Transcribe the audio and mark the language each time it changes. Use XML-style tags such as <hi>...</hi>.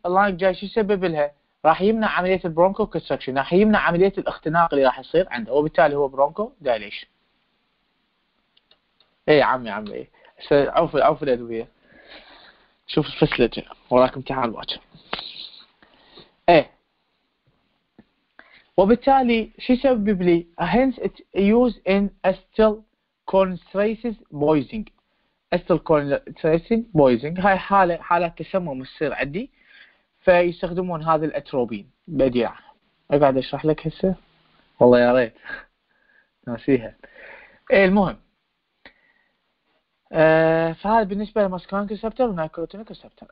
<ar>اللانج جاي شو يسبب لها؟ راح يمنع عملية البرونكو كونستركشن، راح يمنع عملية الاختناق اللي راح يصير عنده، وبالتالي هو برونكو دايليشن. إيه عمي إيه عوف الأدوية. شوف الفسلت وراك امتحان باكر. إيه وبالتالي شو يسبب لي؟</ar> <en>hence it used in acetylcholinesterase poisoning.</en> <ar>acetylcholinesterase poisoning هاي حالة تسمم تصير عندي، فيستخدمون هذا الأتروبين بديع. أقعد أشرح لك هسه؟ والله يا ريت ناسيها. المهم فهذا بالنسبة للمسكونيك ريسبتر والنيكوتينيك ريسبتر.</ar>